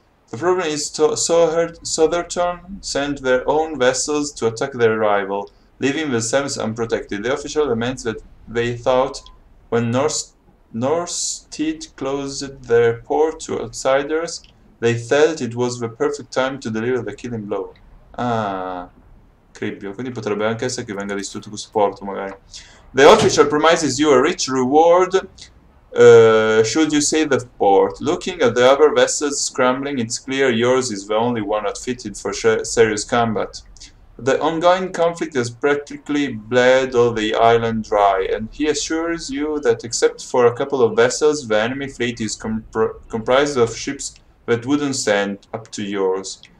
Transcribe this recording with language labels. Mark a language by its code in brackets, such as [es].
[en] The problem is Southerton sent their own vessels to attack their rival, leaving themselves unprotected. The official laments that they thought when Norsted closed their port to outsiders, they felt it was the perfect time to deliver the killing blow. [it] Ah, cribbio, quindi potrebbe anche essere che venga distrutto questo porto, magari. [en] The official promises you a rich reward. Should you save the port? Looking at the other vessels scrambling, it's clear yours is the only one outfitted for serious combat. The ongoing conflict has practically bled all the island dry, and he assures you that except for a couple of vessels, the enemy fleet is comprised of ships that wouldn't stand up to yours.